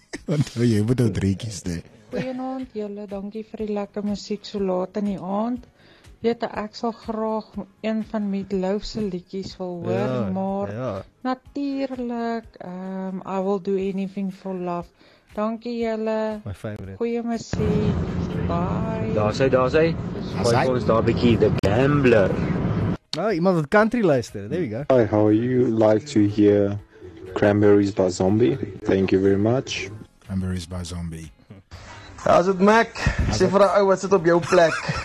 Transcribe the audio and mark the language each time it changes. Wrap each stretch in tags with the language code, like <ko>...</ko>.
<af>Want jy moet nou drinkies hê. Goeienaand julle, dankie vir die lekker musiek so laat in die aand. Weet ek sal graag een van Meat Loaf se liedjies wil hoor, natuurlik, I will do anything for love. Dankie julle.</af> <en>My favorite.</en> <af>Goeie musiek. Bye. Daar sy. Gooi vir ons daar bietjie The Gambler. Nou, iemand wat country luister.</af> <en>There we go. Hi, how are you? Like to hear Cranberries by Zombie. Thank you very much. Cranberries by Zombie. How's it, Mac?</en> <af>Sê vir die ou wat sit op jou plek.</af>